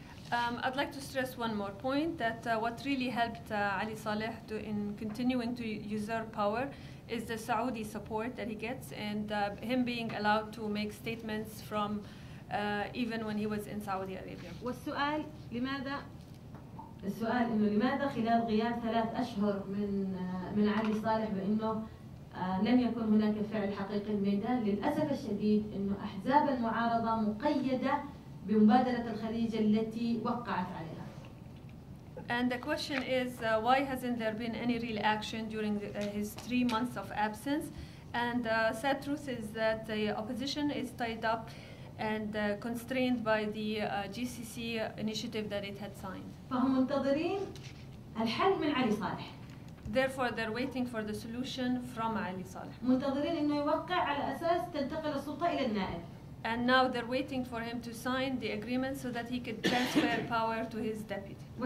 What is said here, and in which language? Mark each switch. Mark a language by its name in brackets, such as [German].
[English] I'd like to stress one more point that what really helped Ali Saleh to in continuing to usurp power is the Saudi support that he gets and him being allowed to make statements from even when he was in Saudi Arabia. [Arabic] والسؤال لماذا السؤال إنه لماذا خلال غياب 3 أشهر من علي صالح بإنه لم يكن هناك فعل حقيقي الميدان للأسف الشديد إنه أحزاب المعارضة مقيدة بمبادرة الخليج التي وقعت عليها. [English] And the question is why hasn't there been any real action during his 3 months of absence? And the sad truth is that the opposition is tied up and constrained by the GCC initiative that it had signed. [Arabic] فهم منتظرين الحل من علي صالح. [English] Therefore, they're waiting for the solution from Ali Saleh. [Arabic] منتظرين إنه يوقع على أساس تنتقل السلطة إلى النائب. [English] And now they're waiting for him to sign the agreement so that he could transfer power to his deputy.